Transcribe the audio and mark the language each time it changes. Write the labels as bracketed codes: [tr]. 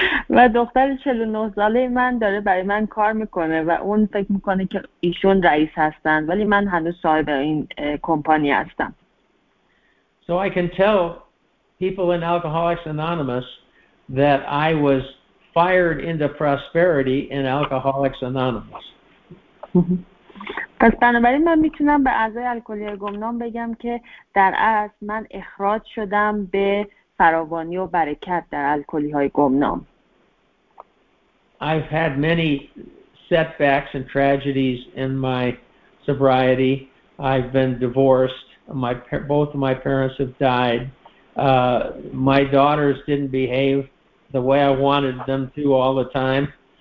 [fa] و دختر 49 ساله من داره برای من کار میکنه و اون فکر میکنه که ایشون رئیس هستن، ولی من هنوز صاحب این کمپانی هستم. [en] So I can tell people in Alcoholics Anonymous that I was fired into prosperity in Alcoholics Anonymous. [fa] پس بنابراین من میتونم به اعضای الکلی گمنام بگم که در اصل من اخراج شدم به فراوانی و برکت در الکلی های گمنام. [en] I've had many setbacks and tragedies in my sobriety. I've been divorced. Both of my parents have died. My daughters didn't behave the way I wanted them to all the time.